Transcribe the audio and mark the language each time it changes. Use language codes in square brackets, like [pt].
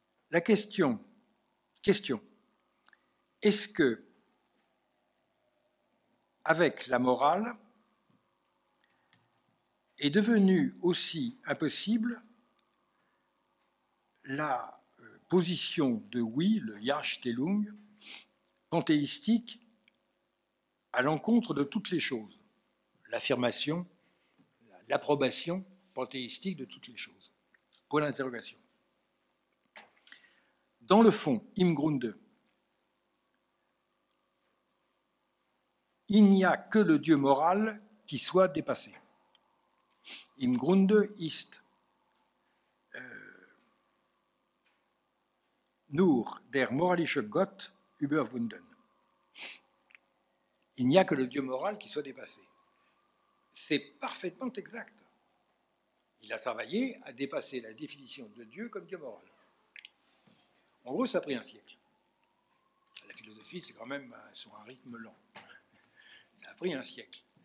[fr] La question, est-ce que, avec la morale, est devenue aussi impossible la position de oui, le Yachtelung, panthéistique à l'encontre de toutes les choses, l'affirmation, l'approbation panthéistique de toutes les choses. Point d'interrogation. Dans le fond, [de] Im Grunde, [fr] il n'y a que le Dieu moral qui soit dépassé. [de] Im Grunde ist nur der moralische Gott überwunden. [fr] Il n'y a que le Dieu moral qui soit dépassé. C'est parfaitement exact. Il a travaillé à dépasser la définition de Dieu comme Dieu moral. En gros, ça a pris un siècle. La philosophie, c'est quand même sur un rythme lent. Ça a pris un siècle.